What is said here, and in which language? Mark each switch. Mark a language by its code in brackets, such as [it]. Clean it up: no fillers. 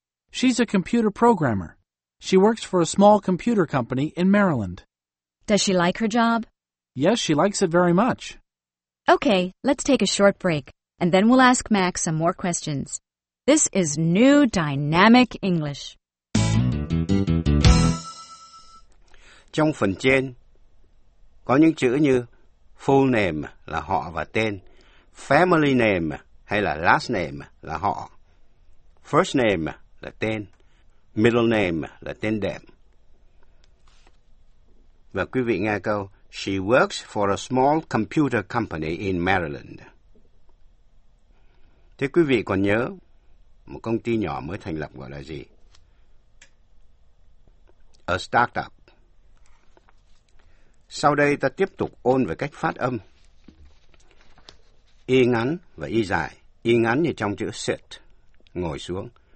[en] She's a computer programmer. She works for a small computer company in Maryland. Does she like her job? Yes, she likes it very much. Okay, let's take a short break, and then we'll ask Max some more questions. This is New Dynamic English. [vi] Trong phần trên, có những chữ như full name là họ và tên, family name hay là last name là họ, first name là tên, middle name là tên đệm. Và quý vị nghe câu, [en] she works for a small computer company in Maryland. [vi] Thế quý vị còn nhớ một công ty nhỏ mới thành lập gọi là gì? [en] A startup. [vi] Sau đây ta tiếp tục ôn về cách phát âm. Y ngắn và y dài. Y ngắn như trong chữ sit, ngồi xuống.